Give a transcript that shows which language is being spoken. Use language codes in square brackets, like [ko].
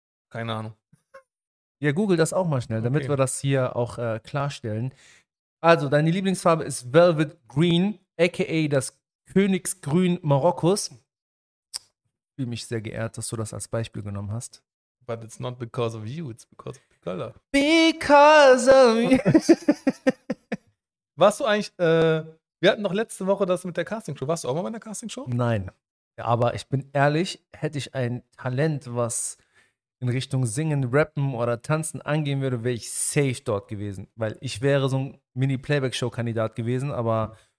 [de] Keine Ahnung. Ja, google das auch mal schnell, damit wir das hier auch klarstellen. Also, deine Lieblingsfarbe ist Velvet Green, aka das Königsgrün Marokkos. Ich fühle mich sehr geehrt, dass du das als Beispiel genommen hast. [en] But it's not because of you, it's because of the color. Because of you. [de] Warst du eigentlich, wir hatten noch letzte Woche das mit der Castingshow. Warst du auch mal bei der Castingshow? Nein. Aber ich bin ehrlich, hätte ich ein Talent, was in Richtung Singen, Rappen oder Tanzen angehen würde, wäre ich safe dort gewesen. Weil ich wäre so ein Mini-Playback-Show-Kandidat gewesen, aber...